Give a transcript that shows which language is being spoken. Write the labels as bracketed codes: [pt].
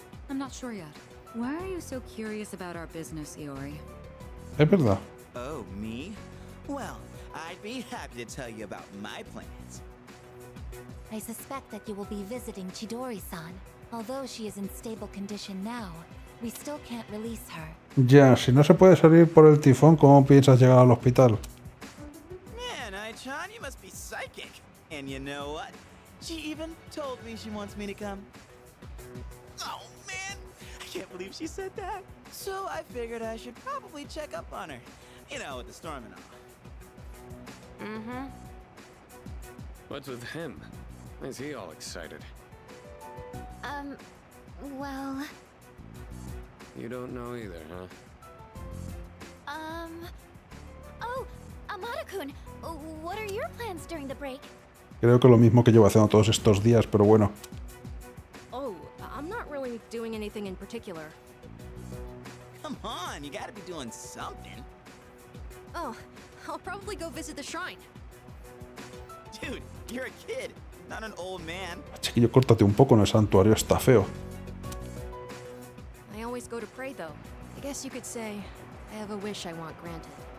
[en] I'm not sure yet. Why are you so curious about our business, Iori? [es] Es verdad. [en] Oh, me? Well, I'd be happy to tell you about my plans. I suspect that you will be visiting Chidori-san. Although she is in stable condition now, we still can't release her. [es] Ya, si no se puede salir por el tifón, ¿cómo piensas llegar al hospital? [en] Man, Ai-chan, you must be psychic. And you know what? She even told me she wants me to come. Oh, man! I can't believe she said that. So I figured I should probably check up on her. You know, with the storm and all. Mm-hmm. What's with him? Is he all excited? Well... You don't know either, huh? Oh, Amada-kun! What are your plans during the break? [es] Creo que lo mismo que llevo haciendo todos estos días, pero bueno. [en] Oh, I'm not really doing anything in particular. Come on, you gotta be doing something. Oh, I'll probably go visit the shrine. Dude, you're a kid, not an old man. [es] Chiquillo, córtate un poco, en el santuario está feo. [en] I always go to pray though. I guess you could say I have a wish I want granted.